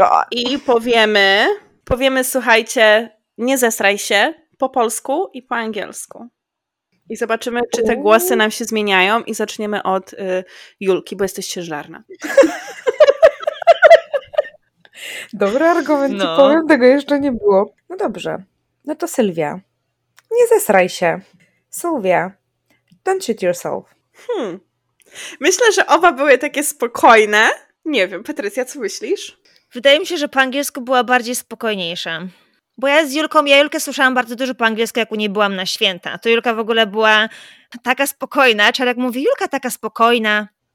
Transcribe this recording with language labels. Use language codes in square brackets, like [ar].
[pl] I powiemy, słuchajcie, nie zesraj się, po polsku i po angielsku. I zobaczymy, czy te głosy nam się zmieniają i zaczniemy od Julki, bo jesteś ciężarna. Dobry argument, no. Powiem, tego jeszcze nie było. No dobrze, no to Sylwia, nie zesraj się. [en] Sylwia, don't shoot yourself. [pl] Myślę, że oba były takie spokojne. Nie wiem, Patrycja, co myślisz? Wydaje mi się, że po angielsku była bardziej spokojniejsza. Bo ja Julkę słyszałam bardzo dużo po angielsku, jak u niej byłam na święta. To Julka w ogóle była taka spokojna. Czarek mówi, Julka taka spokojna.